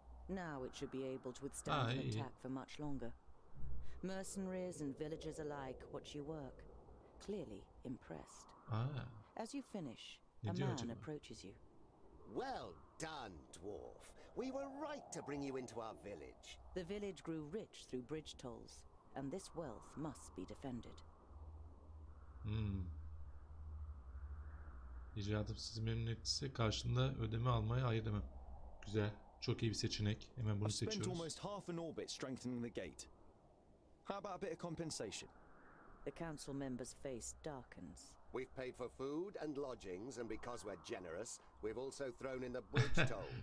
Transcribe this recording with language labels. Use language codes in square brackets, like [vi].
[en] Now it should be able to withstand an attack for much longer. Mercenaries and villagers alike watch you work, clearly impressed. As you finish, a man approaches you. Well done, dwarf. We were right to bring you into our village. The village grew rich through bridge tolls, and this wealth must be defended. [tr] İcadım sizi memnun ettiyse karşında ödeme almaya ayır demem. Güzel, çok iyi bir seçenek. Hemen bunu seçiyoruz. [en] I spent almost half an orbit strengthening the gate. How about a bit of compensation? The council member's face darkens. We've paid for food and lodgings, and because we're generous, we've also thrown in the bridge toll.